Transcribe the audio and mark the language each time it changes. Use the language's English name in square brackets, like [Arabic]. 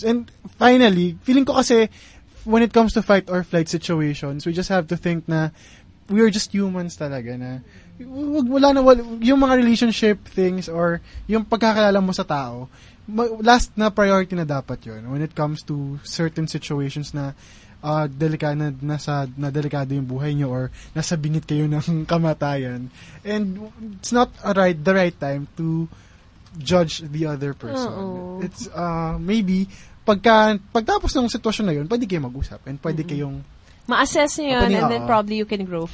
[English] And finally, feeling ko kasi, when it comes to fight or flight situations, we just have to think na we are just humans [Filipino] talaga na wala na, yung mga relationship things or yung pagkakilala mo sa tao, [English] last na priority na dapat yun when it comes to certain situations [Filipino] na delikado yung buhay nyo or nasa bingit kayo ng kamatayan. [English] And it's not the right time to judge the other person. Uh-oh. It's maybe [Filipino] pagkatapos ng sitwasyon na yun, pwede kayong mag-usap and pwede kayong ma-assess niyo yun [English] and then probably you can grow from